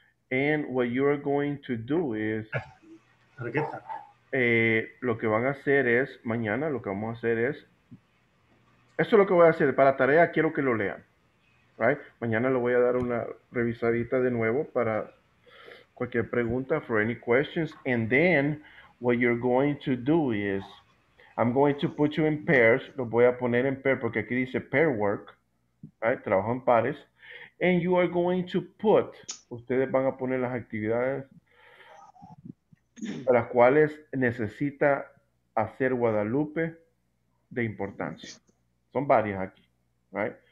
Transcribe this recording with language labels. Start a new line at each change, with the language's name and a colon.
English: And what you are going to do is,
Spanish: lo que van a hacer es, mañana lo que vamos a hacer es, esto es lo que voy a hacer, para tarea quiero que lo lean.
English: Right.
Spanish: Mañana le voy a dar una revisadita de nuevo para cualquier pregunta,
English: for any questions. And then, what you're going to do is, I'm going to put you in pairs.
Spanish: Lo voy a poner en pair porque aquí dice pair work.
English: Right?
Spanish: Trabajo en pares.
English: And you are going to put,
Spanish: ustedes van a poner las actividades para las cuales necesita hacer Guadalupe de importancia. Son varias aquí. Right?